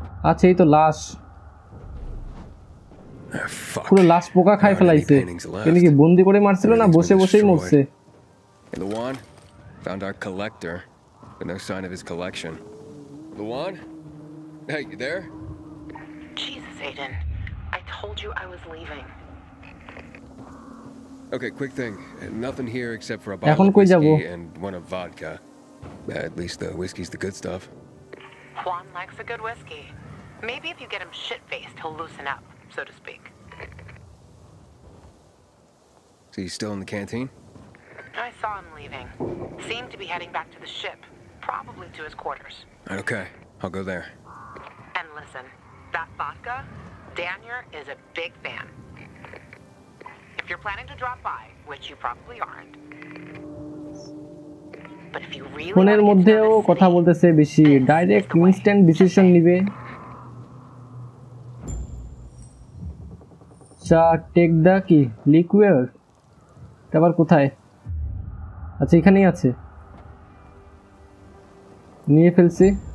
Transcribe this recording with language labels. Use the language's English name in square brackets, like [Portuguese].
[Bangla] আচ্ছা এই তো লাশ, পুরো লাশ পোকা খাই ফেলাইছে. তিনি কি বন্দি করে মারছিল না বসে বসেই মরছে? [English] Luan found our collector, but no sign of his collection. Luan, hey, you there? Jesus, Aiden, I told you I was leaving. Okay, quick thing, nothing here except for a bottle of whiskey and one of vodka. At least the whiskey's the good stuff. Juan likes a good whiskey. Maybe if you get him shit-faced, he'll loosen up, so to speak. So he's still in the canteen? I saw him leaving. Seemed to be heading back to the ship, probably to his quarters. Okay, I'll go there. And listen, that vodka, Danier is a big fan. If you're planning to drop by, which you probably aren't, [Bangla] ফোনের মধ্যেও কথা বলতেছে বেশি, direct instant decision নিবে. চা take দা কি liquid তারপর কোথায়? আচ্ছা এখানেই আছে, নিয়ে ফেলছি.